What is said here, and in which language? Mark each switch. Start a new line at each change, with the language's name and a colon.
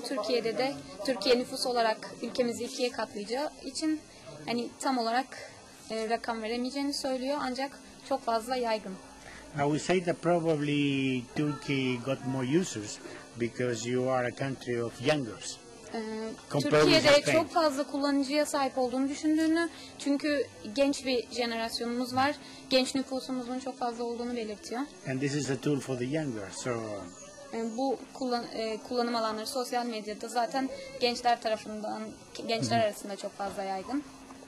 Turkish: Türkiye'de de Türkiye nüfus olarak ülkemizi ikiye katlayacağı için hani tam olarak rakam veremeyeceğini söylüyor. Ancak çok fazla yaygın.
English: I would say that probably Turkey got more users because you are a country of youngers.
Turkish: Türkiye'de çok fazla kullanıcıya sahip olduğunu düşündüğünü, çünkü genç bir jenerasyonumuz var, genç nüfusumuzun çok fazla olduğunu belirtiyor.
English: And this is a tool for the younger, so.
Turkish: Bu kullanım alanları sosyal medyada zaten gençler tarafından, gençler arasında çok fazla yaygın.